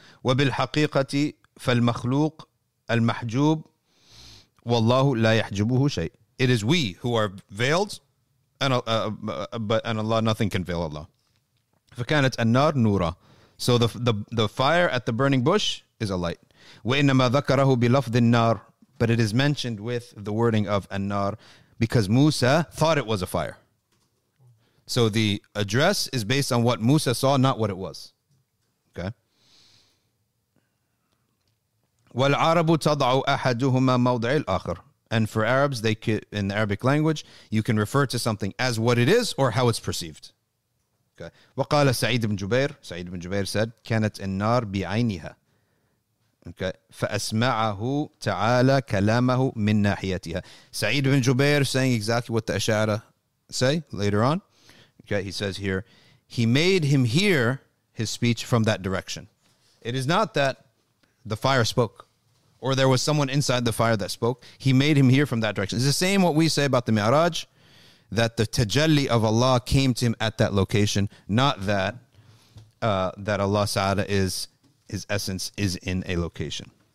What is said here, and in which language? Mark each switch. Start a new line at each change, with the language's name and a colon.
Arabic: وَبِالْحَقِيقَةِ فالمخلوق المحجوب والله لا يحجبه شيء.
English: It is we who are veiled, and Allah, nothing can veil Allah.
Arabic: فكانت النار نورا.
English: So the fire at the burning bush is a light.
Arabic: وإنما ذكره بلفظ النار.
English: But it is mentioned with the wording of النار because Musa thought it was a fire. So the address is based on what Musa saw, not what it was. Okay.
Arabic: والعرب تضع أحدهما موضع الآخر.
English: And for Arabs, they could, in the Arabic language, you can refer to something as what it is or how it's perceived.
Arabic: Okay. وقال سعيد بن جبير, سعيد بن جبير said, كانت النار بعينها.
English: Okay.
Arabic: فأسمعه تعالى كلامه من ناحيتها.
English: سعيد بن جبير saying exactly what the Ash'ara say later on. Okay, he says here, he made him hear his speech from that direction. It is not that the fire spoke, or there was someone inside the fire that spoke. He made him hear from that direction. It's the same what we say about the Mi'raj, that the tajalli of Allah came to him at that location, not that that Allah Sa'ala is his essence is in a location.